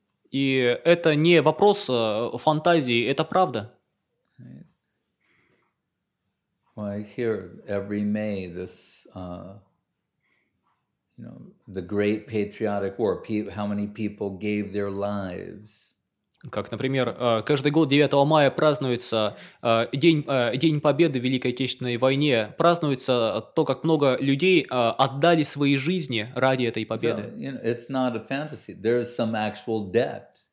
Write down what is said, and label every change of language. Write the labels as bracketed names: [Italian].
[Russian] И это не вопрос фантазии, это правда. [English] Well, I hear every May this, the great patriotic war. How many people gave their lives? [Russian] Как, например, каждый год 9 мая празднуется день Победы в Великой Отечественной войне. Празднуется то, как много людей отдали свои жизни ради этой победы. [English] So, it's not a fantasy. There is some actual debt.